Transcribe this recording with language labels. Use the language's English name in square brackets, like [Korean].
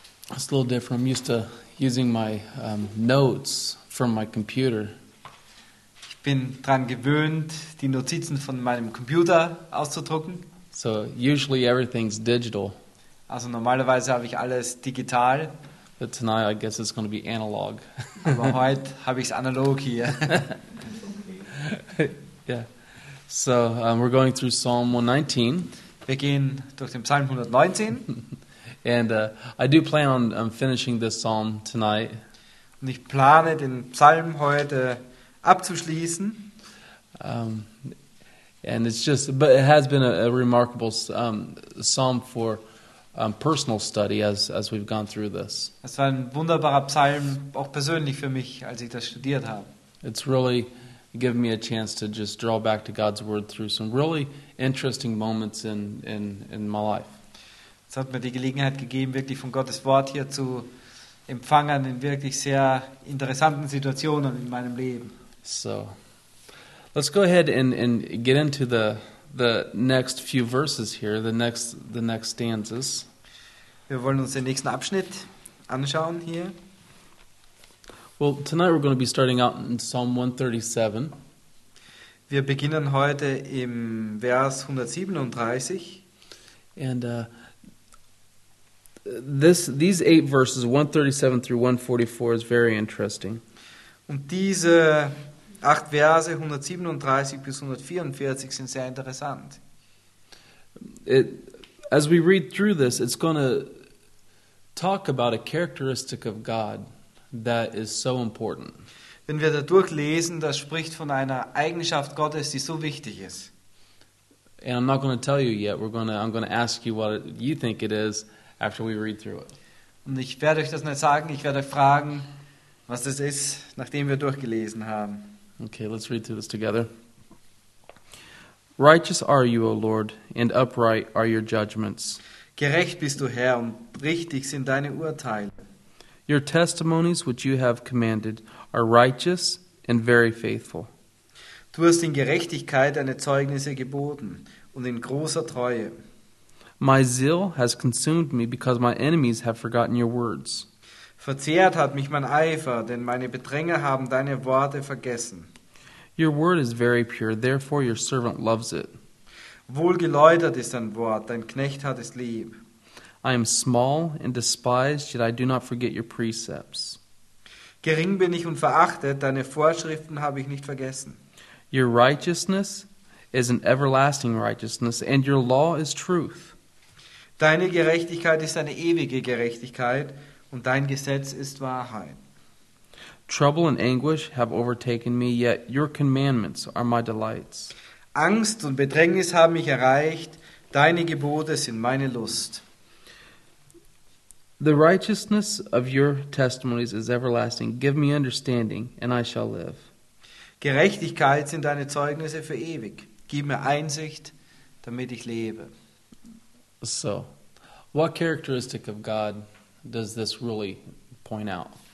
[English] It's a little different. I'm used to using my notes from my computer. [German] Ich bin dran gewöhnt, die Notizen von meinem Computer auszudrucken. [English] So usually everything's digital. [German] Also normalerweise habe ich alles digital. [English] But tonight I guess it's going to be analog. [German] Aber heute habe ich es analog hier. [English] Yeah. So we're going through Psalm 119. [German] Wir gehen durch den Psalm 119. [English] And I do plan on finishing this psalm tonight. [German] Und ich plane den Psalm heute abzuschließen. [English] And it's just, but it has been a remarkable psalm for personal study as we've gone through this. [German] Es war ein wunderbarer Psalm auch persönlich für mich, als ich das studiert habe. [English] It's really given me a chance to just draw back to God's word through some really interesting moments in my life. [German] Es hat mir die Gelegenheit gegeben, wirklich von Gottes Wort hier zu empfangen in wirklich sehr interessanten Situationen in meinem Leben. [English] So, let's go ahead and get into the next few verses here, the next stanzas. [German] Wir wollen uns den nächsten Abschnitt anschauen hier. [English] Well, tonight we're going to be starting out in Psalm 137. [German] Wir beginnen heute im Vers 137. [English] And these eight verses, 137 through 144, is very interesting. [German] Und diese acht Verse, 137 bis 144, sind sehr interessant. [English] As we read through this, it's going to talk about a characteristic of God that is so important. [German] Wenn wir da durchlesen, das spricht von einer Eigenschaft Gottes, die so wichtig ist. [English] And I'm not going to tell you yet. I'm going to ask you what you think it is after we read through it. [German] Und ich werde euch das nicht sagen, ich werde euch fragen, was das ist, nachdem wir durchgelesen haben. [English] Okay, let's read through this together. Righteous are you, O Lord, and upright are your judgments. [German] Gerecht bist du, Herr, und richtig sind deine Urteile. [English] Your testimonies, which you have commanded, are righteous and very faithful. [German] Du hast in Gerechtigkeit deine Zeugnisse geboten und in großer Treue. [English] My zeal has consumed me because my enemies have forgotten your words. [German] Verzehrt hat mich mein Eifer, denn meine Bedränger haben deine Worte vergessen. [English] Your word is very pure, therefore your servant loves it. [German] Wohlgeläutert ist dein Wort, dein Knecht hat es lieb. [English] I am small and despised, yet I do not forget your precepts. [German] Gering bin ich und verachtet, deine Vorschriften habe ich nicht vergessen. [English] Your righteousness is an everlasting righteousness, and your law is truth. [German] Deine Gerechtigkeit ist eine ewige Gerechtigkeit, und dein Gesetz ist Wahrheit. [English] Trouble and anguish have overtaken me, yet your commandments are my delights. [German] Angst und Bedrängnis haben mich erreicht, deine Gebote sind meine Lust. [English] The righteousness of your testimonies is everlasting. Give me understanding, and I shall live. [German] Gerechtigkeit sind deine Zeugnisse für ewig. Gib mir Einsicht, damit ich lebe. [English] So, what characteristic of God does this really point out?